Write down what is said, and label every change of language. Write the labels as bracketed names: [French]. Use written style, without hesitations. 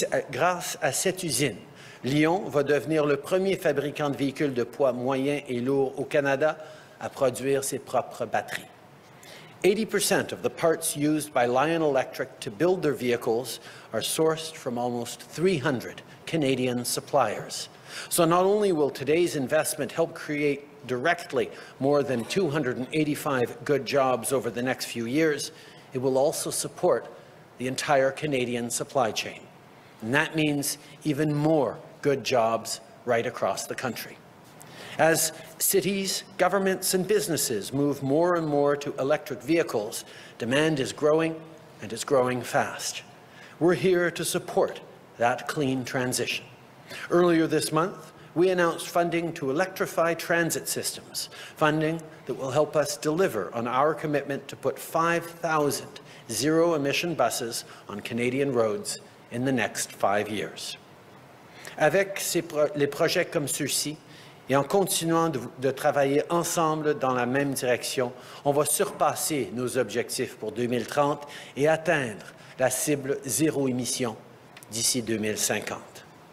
[French] Grâce à cette usine, Lyon va devenir le premier fabricant de véhicules de poids moyen et lourd au Canada à produire ses propres batteries. [English] 80% of the parts used by Lion Electric to build their vehicles are sourced from almost 300 Canadian suppliers. So not only will today's investment help create directly more than 285 good jobs over the next few years, it will also support the entire Canadian supply chain. And that means even more good jobs right across the country. As cities, governments, and businesses move more and more to electric vehicles, demand is growing, and it's growing fast. We're here to support that clean transition. Earlier this month, we announced funding to electrify transit systems, funding that will help us deliver on our commitment to put 5,000 zero-emission buses on Canadian roads in the next 5 years. [French] Avec les projets comme ceux-ci, et en continuant de travailler ensemble dans la même direction, on va surpasser nos objectifs pour 2030 et atteindre la cible zéro émission d'ici 2050.